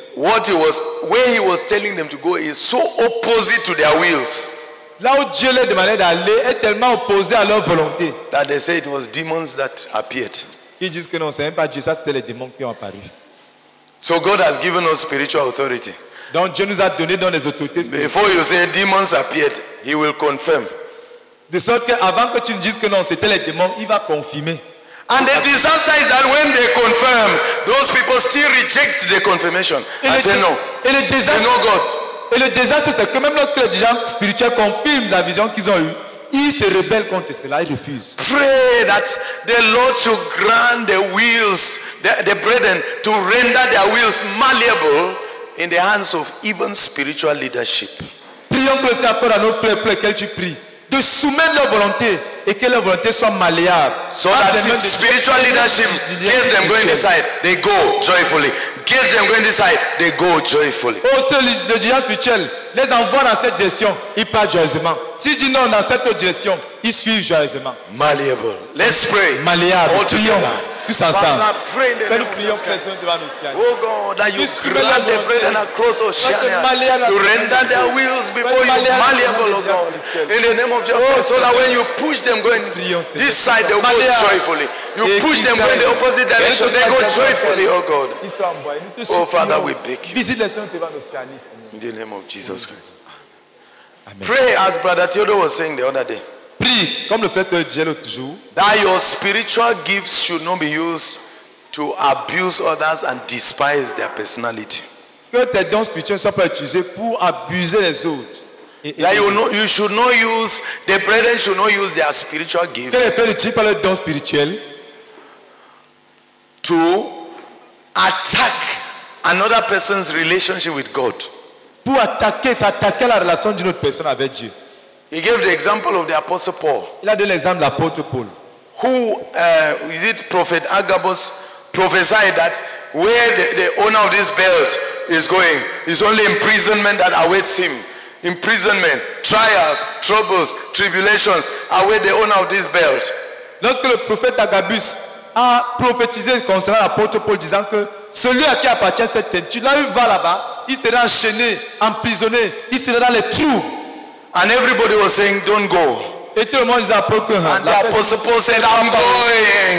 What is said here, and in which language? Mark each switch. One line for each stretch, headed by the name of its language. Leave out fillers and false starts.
English: where he was telling them to go is so opposite to their wills.
French: Là où Dieu leur demandait d'aller est tellement opposé à leur volonté.
English: That they say it was demons that appeared.
French: Ils disent que non, c'est même pas Dieu, ça c'était les démons qui ont apparu.
English: So God has given us spiritual authority.
French: Donc Dieu nous a donné dans les autorités spirituelles.
English: Before you say demons appeared, he will confirm.
French: De sorte que avant que tu ne dises que non, c'était les démons, il va confirmer.
English: And the disaster is that when they confirm, those people still reject the confirmation and say no.
French: Et le désastre,
English: they know God.
French: Et le désastre, c'est que même lorsque les gens spirituels confirment la vision qu'ils ont eue, ils se rebellent contre cela, ils refusent.
English: Pray that the Lord should grant the wills, the brethren, to render their wills malleable in the hands of even spiritual leadership.
French: Prions que le Seigneur accorde à nos frères pour lesquels tu pries de soumettre leur volonté et que leur volonté soit malléable.
English: So that spiritual leadership gets them going inside, they go joyfully. Gets them going inside, they go joyfully.
French: Oh, c'est le dirigeant spirituel les envoie dans cette direction, ils partent joyeusement. S'il dit non dans cette autre direction, ils suivent joyeusement.
English: Malléable. Let's pray.
French: Malléable.
English: All together.
French: Tous ensemble.
English: Father, oh God, that you grant the brethren across Oceania to render their wills before you, malleable, oh God, in the name of Jesus Christ, so that when you push them going this side, they will go joyfully. You push them going the opposite direction, they go joyfully, oh God. Oh Father, we beg you. In the name of Jesus Christ. Amen. Pray as Brother Theodore was saying the other day.
French: Comme le fait de toujours,
English: that your spiritual gifts should not be used to abuse others and despise their personality.
French: Que tes dons spirituels soient pas utilisés pour abuser les autres.
English: That you should not use, the brethren should not use their spiritual gifts.
French: Que les frères n'utilisent pas leurs dons spirituels
English: to attack another person's relationship with God.
French: Pour attaquer, s'attaquer à la relation d'une autre personne avec Dieu.
English: He gave the example of the Apostle Paul.
French: Il a donné l'exemple de l'apôtre Paul.
English: Who is it? Prophet Agabus prophesied that where the owner of this belt is going is only imprisonment that awaits him. Imprisonment, trials, troubles, tribulations await the owner of this belt.
French: Lorsque le prophète Agabus a prophétisé concernant l'apôtre Paul, disant que celui à qui appartient cette ceinture, là, il va là-bas, il sera enchaîné, emprisonné, il sera dans les trous.
English: And everybody was saying, don't go.
French: Et tout le monde disait,
English: and the apostle Paul said, I'm going.